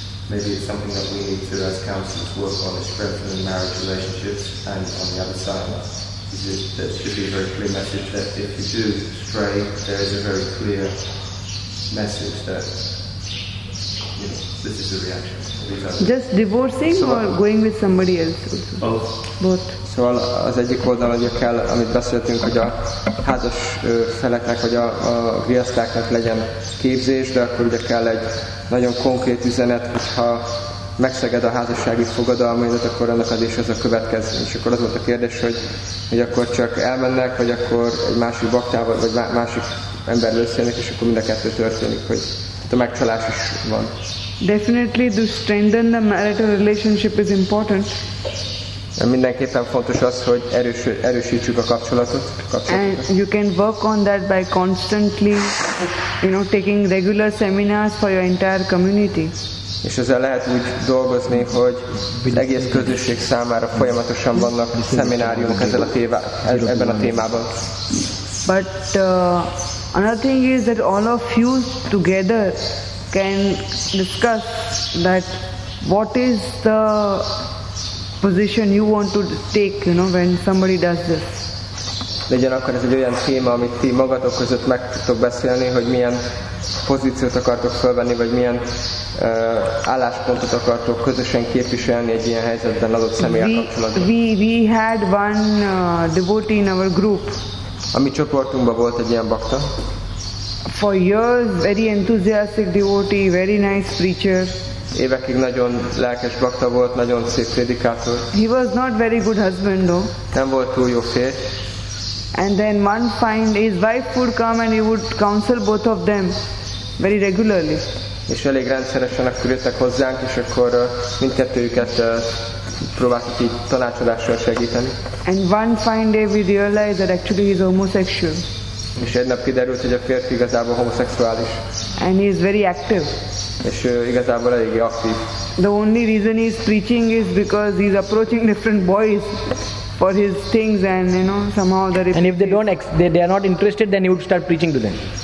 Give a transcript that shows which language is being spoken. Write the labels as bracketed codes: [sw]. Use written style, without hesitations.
[en] Maybe it's something that we need to, as counselors, work on is strengthening marriage relationships. And on the other side, there should be a very clear message that if you do stray, there is a very clear message that, you know, this is the reaction. Just divorcing or going with somebody else? Both. [hu] Szóval az egyik oldal, hogy kell, amit beszéltünk, hogy a házas feleknek, vagy a griasztáknak legyen képzés, de akkor ugye kell egy nagyon konkrét üzenet, hogyha megszeged a házassági fogadalmaidat, akkor annak az is ez a következő. És akkor az volt a kérdés, hogy akkor csak elmennek, vagy akkor egy másik baktával, vagy másik emberrel összejönnek, és akkor mind a kettő történik, hogy a megcsalás is van. [en] Definitely to strengthen the marital relationship is important. [hu] Mindenképpen fontos az, hogy erősítsük a kapcsolatot. [en] And you can work on that by constantly, you know, taking regular seminars for your entire community. [hu] És ezzel lehet úgy dolgozni, hogy egész közösség számára folyamatosan vannak szemináriumok ebben a témában. [en] But another thing is that all of you together can discuss that what is the position you want to take, you know, when somebody does this. [hu] Legyen akkor ez egy olyan téma, amit ti magatok között meg tudtok beszélni, hogy milyen pozíciót akartok fölvenni, vagy milyen álláspontot akartok közösen képviselni egy ilyen helyzetben adott személyek kapcsolatban. [en] We had one devotee in our group. [hu] A mi csoportunkban volt egy ilyen bakta. [en] For years, very enthusiastic devotee, very nice preacher. [hu] Évekig nagyon lelkes bakta volt, nagyon szép prédikátor. [en] He was not very good husband though. [hu] Nem volt túl jó férj. [en] And then one fine day his wife would come and he would counsel both of them very regularly. [hu] És elég rendszeresen akkor jöttek hozzánk, és akkor mindkettőjüket próbáltuk így tanácsadással segíteni. [en] And one fine day we realized that actually he's homosexual. [hu] És egy nap kiderült, hogy a férfi igazából homoszexuális. [en] And he is very active. [hu] És igazából eléggé aktív. [en] The only reason he is preaching is because he is approaching different boys for his things and, you know, somehow And if they are not interested, then he would start preaching to them.